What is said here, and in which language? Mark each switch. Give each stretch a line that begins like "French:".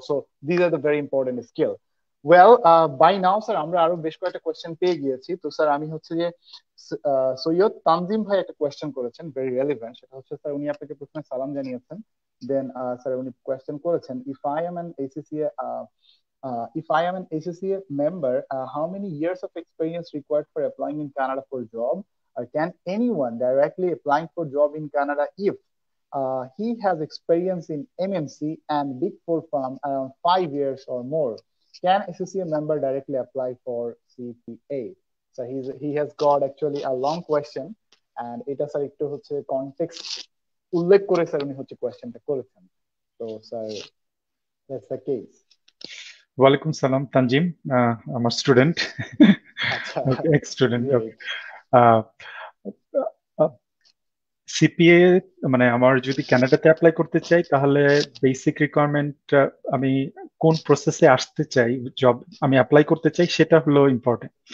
English: So these are the very important skill.
Bangla: Well by now sir আমরা আরো বেশ কয়েকটা কোয়েশ্চেন পেয়ে গিয়েছি, তো স্যার আমি হচ্ছে যে সৈয়দ তানজিম ভাই একটা কোয়েশ্চেন করেছেন ভেরি রেলিভেন্ট, সেটা হচ্ছে স্যার উনি আপনাকে প্রথমে সালাম জানিয়েছেন, দেন স্যার উনি কোয়েশ্চেন করেছেন
English: If I am an ACC if I am an ACC member how many years of experience required for applying in Canada for job, Can anyone directly applying for job in Canada if he has experience in MNC and Big Four firm around 5 years or more? Can SSCA member directly apply for CPA? So he has got actually a long question, and
Bangla: এটা sir একটু হচ্ছে context উল্লেখ করে sir উনি হচ্ছে questionটা করেছেন.
English: So sir, that's the case.
Bangla: ওয়ালাইকুম সালাম তানজিম, আমার স্টুডেন্ট, আচ্ছা এক্স স্টুডেন্ট। সিপিএ মানে আমার যদি ক্যানাডাতে অ্যাপ্লাই করতে চাই, তাহলে বেসিক রিকোয়ারমেন্ট আমি কোন প্রসেসে আসতে চাই, জব আমি অ্যাপ্লাই করতে চাই, সেটা হলো ইম্পর্টেন্ট।